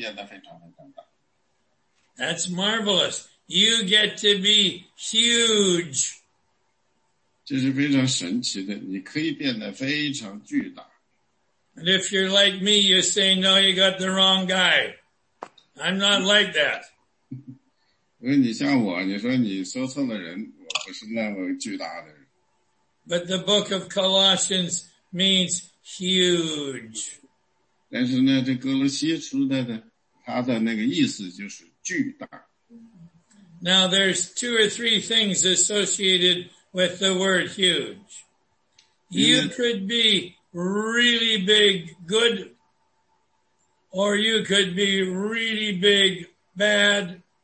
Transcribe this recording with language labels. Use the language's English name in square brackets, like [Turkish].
[Chinese] 因为这个所有的哥罗西书现在写的什么呢？写的是你可以变得非常非常大。 [English] That's marvelous. You get to be huge. [Chinese] 这是非常神奇的，你可以变得非常巨大。 [English] And if you're like me, you say, no, you got the wrong guy. I'm not like that. [Chinese] 因为你像我，你说你说错了人，我不是那么巨大的人。 [English] But the book of Colossians means huge. [Chinese] 但是呢，这哥罗西书的它的那个意思就是巨大。 [English] Now there's two or three things associated with the word huge. You could be really big good, or you could be really big bad,